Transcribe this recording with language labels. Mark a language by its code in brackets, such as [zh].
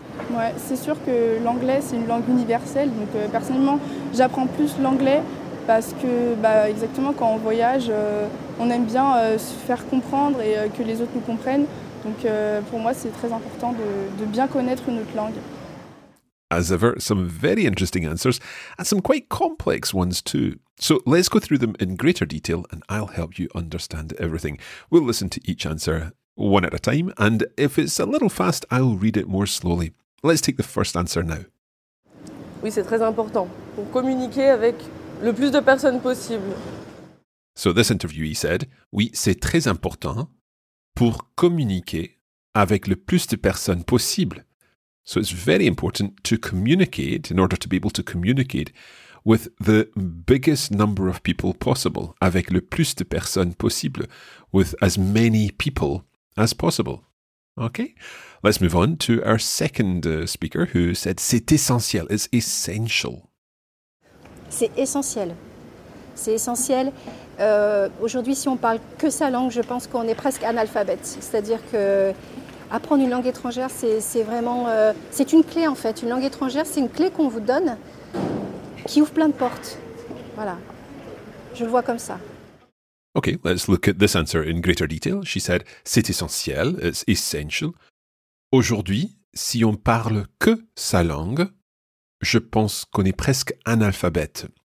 [fr] Ouais, c'est sûr que l'anglais, c'est une langue universelle. Donc personnellement, j'apprends plus l'anglais parce que exactement quand on voyage, on aime bien se faire comprendre et que les autres nous comprennent. Donc pour moi, c'est très important de bien connaître une autre langue. [en] As ever, some very interesting answers and some quite complex ones too. So let's go through them in greater detail and I'll help you understand everything. We'll listen to each answer one at a time, and if it's a little fast, I'll read it more slowly. Let's take the first answer now. [fr] Oui, c'est très important pour communiquer avec le plus de personnes possible. [en] So this interviewee said, [fr] oui, c'est très important pour communiquer avec le plus de personnes possible. [en] So it's very important to communicate in order to be able to communicate with the biggest number of people possible, [fr] avec le plus de personnes possible, [en] with as many people as possible. Okay, let's move on to our second speaker who said [fr] c'est essentiel, [en] it's essential. [fr] C'est essentiel. C'est essentiel. Aujourd'hui, si on parle que sa langue, je pense qu'on est presque analphabète. C'est-à-dire que apprendre une langue étrangère, c'est vraiment... c'est une clé, en fait. Une langue étrangère, c'est une clé qu'on vous donne qui ouvre plein de portes. Voilà. Je le vois comme ça. [en] OK, let's look at this answer in greater detail. She said, [fr] c'est essentiel, [en] it's essential. [fr] Aujourd'hui, si on parle que sa langue, je pense qu'on est presque analphabète.